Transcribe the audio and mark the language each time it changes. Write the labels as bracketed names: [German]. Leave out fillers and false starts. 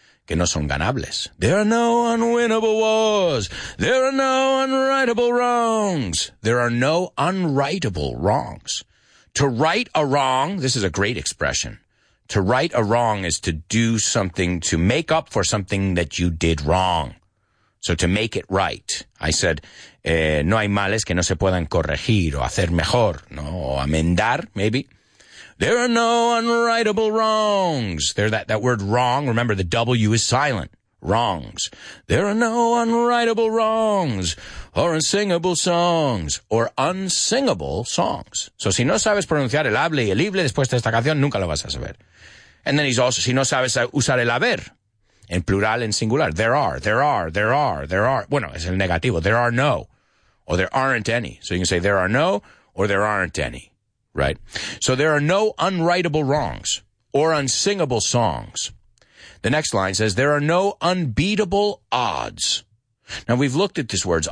[Spanish] Que no son ganables. [English] There are no unwinnable wars. There are no unrightable wrongs. There are no unrightable wrongs. To right a wrong, this is a great expression. To right a wrong is to do something, to make up for something that you did wrong. So to make it right. I said, [Spanish] no hay males que no se puedan corregir o hacer mejor, no, o amendar, maybe. [English] There are no unrightable wrongs. There, that word wrong, remember the W is silent. Wrongs. There are no unrightable wrongs or unsingable songs or unsingable songs. [Spanish] So si no sabes pronunciar el hable y el ible después de esta canción, nunca lo vas a saber. [English] And then he's also, [Spanish] si no sabes usar el haber en plural, en singular. [English] There are, there are, there are, there are. [Spanish] Bueno, es el negativo. [English] There are no or there aren't any. So you can say there are no or there aren't any. Right. So there are no unrightable wrongs or unsingable songs. The next line says there are no unbeatable odds. Now, we've looked at these words.